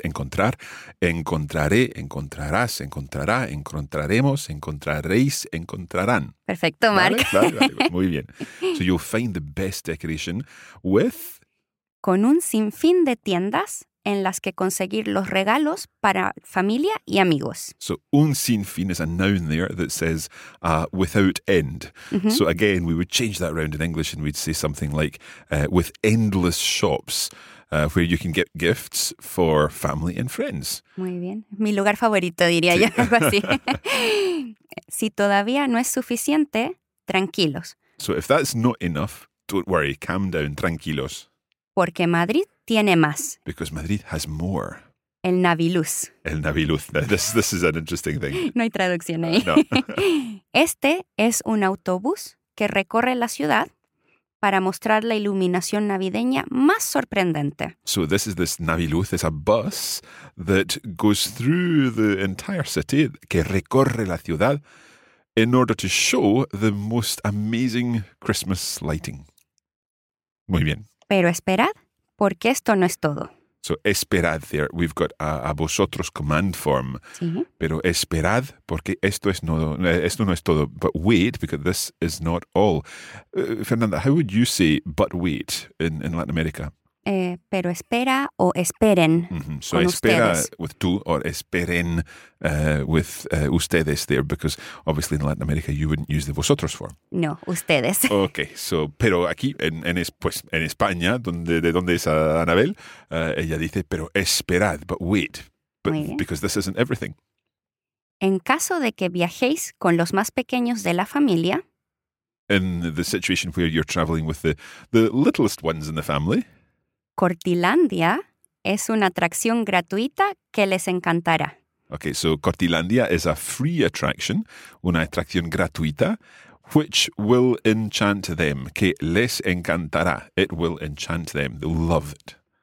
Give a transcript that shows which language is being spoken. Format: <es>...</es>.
<es>Encontrar, encontraré, encontrarás, encontrará, encontraremos, encontraréis, encontrarán. Perfecto, Mark. ¿Vale? Vale, vale. Muy bien.</es> <en>So you'll find the best decoration with...</en> <es>Con un sinfín de tiendas en las que conseguir los regalos para familia y amigos.</es> <en>So un sinfín is a noun there that says without end. Mm-hmm. So again, we would change that around in English and we'd say something like with endless shops where you can get gifts for family and friends.</en> <es>Muy bien. Mi lugar favorito, diría sí. Yo, algo así. Si todavía no es suficiente, tranquilos.</es> <en>So if that's not enough, don't worry, calm down, tranquilos.</en> <es>Porque Madrid tiene más.</es> <en>Because Madrid has more.</en> <es>El Naviluz.</es> <en>El Naviluz. This is an interesting thing.</en> <es>No hay traducción ahí. No. Este es un autobús que recorre la ciudad para mostrar la iluminación navideña más sorprendente.</es> <en>So this is this Naviluz. It's a bus that goes through the entire city,</en> <es>que recorre la ciudad,</es> <en>in order to show the most amazing Christmas lighting.</en> <es>Muy bien. Pero esperad, porque esto no es todo.</es> <en>So, esperad there. We've got a vosotros command form.</en> <es>Sí. Pero esperad, porque esto no es todo.</es> <en>But wait, because this is not all. Fernanda, how would you say but wait in Latin America?</en> <es>Pero espera o esperen.</es> <en>Mm-hmm. So, espera</en> <es>ustedes.</es> <en>With tú or esperen with ustedes there, because obviously in Latin America you wouldn't use the vosotros form.</en> <es>No, ustedes.</es> <en>Okay, so,</en> <es>pero aquí en España, donde es Anabel, ella dice, pero esperad,</es> <en>but wait, but, because this isn't everything.</en> <es>En caso de que viajéis con los más pequeños de la familia.</es> <en>In the situation where you're traveling with the littlest ones in the family.</en> <es>Cortilandia es una atracción gratuita que les encantará.</es> <en>Okay, so Cortilandia is a free attraction,</en> <es>una atracción gratuita,</es> <en>which will enchant them,</en> <es>que les encantará.</es> <en>It will enchant them. They'll love it.</en>